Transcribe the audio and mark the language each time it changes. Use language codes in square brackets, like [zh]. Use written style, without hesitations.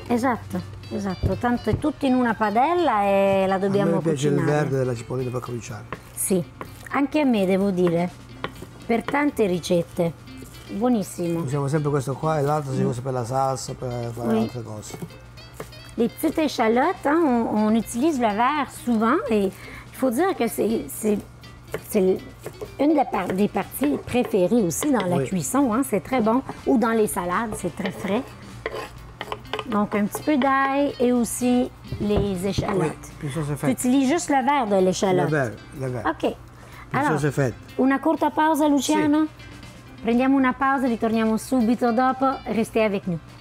[it] Esatto, esatto. Tanto è tutto in una padella e la dobbiamo cucinare. A me piace il verde della cipollina per cominciare. Sì, anche a me devo dire, per tante ricette. Buonissimo. Usiamo sempre questo qua e l'altro si usa per la salsa, per fare altre cose. [fr] Le petite échalotes, hein, on utilise le verre souvent et il faut dire que c'est une des parties préférées aussi dans la cuisson, hein, c'est très bon ou dans les salades, c'est très frais. Donc un petit peu d'ail et aussi les échalotes. Oui, puis ça c'est fait. Tu utilises juste le verre de l'échalote. Le verre. OK. Puis alors, ça c'est fait. [it] Una corta pausa Luciano? Sì. Prendiamo una pausa, ritorniamo subito dopo. [fr] Restez avec nous.